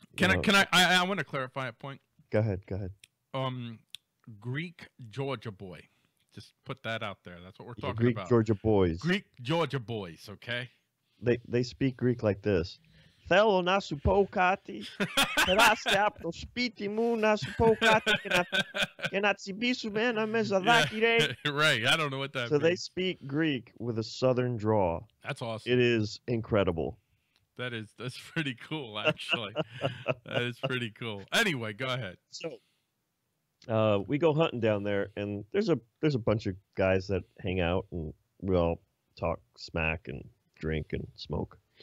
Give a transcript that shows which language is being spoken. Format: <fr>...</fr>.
<en>I want to clarify a point. Go ahead. Greek Georgia boy. Just put that out there. That's what we're talking Greek about. Greek Georgia boys. Greek Georgia boys, okay? They speak Greek like this.</en> <el>Θέλω να σου πω κάτι. Περάστε από το σπίτι μου να σου πω κάτι και να τσιμπήσουμε ένα μεζαδάκι, ρε.</el> <en>Right, I don't know what that so means. So they speak Greek with a southern draw. That's awesome. It is incredible. That's pretty cool, actually. That is pretty cool. Anyway, go ahead. So we go hunting down there, and there's a bunch of guys that hang out, and we all talk smack and drink and smoke.</en>